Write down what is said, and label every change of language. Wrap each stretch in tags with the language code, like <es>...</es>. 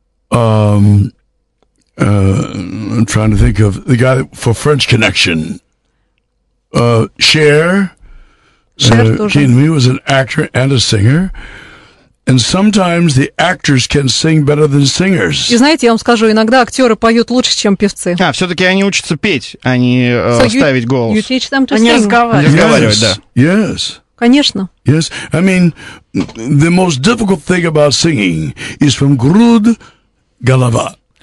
<en>I'm trying to think of the guy for French Connection. Cher. Кейн Ми was an actor and a singer. And sometimes the actors can sing better than singers.</en> <ru>И знаете, я вам скажу, иногда актеры поют лучше, чем певцы. А, все-таки они учатся петь, а не ставить голос.</ru> <en>You teach them to sing.</en> <ru>Разговаривать, да.</ru> <en>Yes.</en> <ru>Конечно.</ru> <en>Yes. I mean, the most difficult thing about singing is from груд – голова.</en>